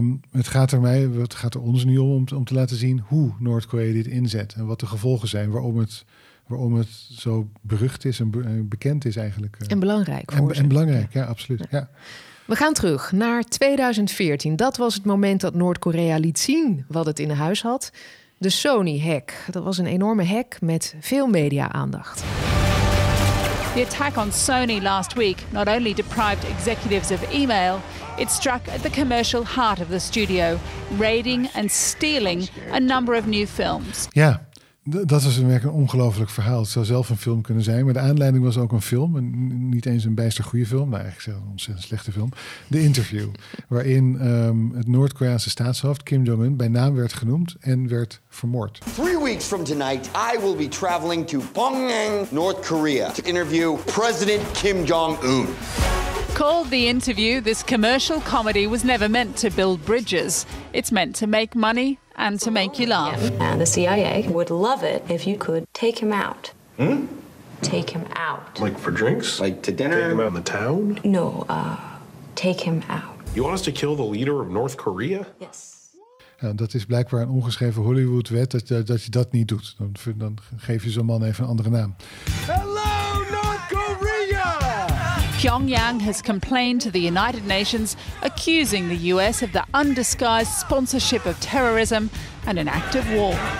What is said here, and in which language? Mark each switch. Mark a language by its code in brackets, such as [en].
[nl] Het gaat er ons nu om te laten zien hoe Noord-Korea dit inzet en wat de gevolgen zijn, waarom het zo berucht is en bekend is eigenlijk. En belangrijk. En belangrijk, ja, absoluut. Ja. Ja. We gaan terug naar 2014. Dat was het moment dat Noord-Korea liet zien wat het in huis had. De Sony-hack. Dat was een enorme hack met veel media-aandacht. [en] The attack on Sony last week not only deprived executives of email, it struck at the commercial heart of the studio, raiding and stealing a number of new films. [nl] Ja, dat is werkelijk een ongelooflijk verhaal. Het zou zelf een film kunnen zijn, maar de aanleiding was ook een film. En niet eens een bijster goede film, maar eigenlijk een ontzettend slechte film. The Interview, waarin het Noord-Koreaanse staatshoofd Kim Jong-un bij naam werd genoemd en werd vermoord. [en] 3 weeks from tonight, I will be traveling to Pyongyang, North Korea, to interview President Kim Jong-un. called The Interview, this commercial comedy was never meant to build bridges. It's meant to make money and to make you laugh. And the CIA would love it if you could take him out. Hmm? Take him out. Like for drinks? Like to dinner? Take him out in the town? No, take him out. You want us to kill the leader of North Korea? Yes. [nl] Ja, dat is blijkbaar een ongeschreven Hollywood-wet dat je dat niet doet. Dan geef je zo'n man even een andere naam. [en] Hello, North Korea! Pyongyang has complained to the United Nations, accusing the US of the undisguised sponsorship of terrorism and an act of war.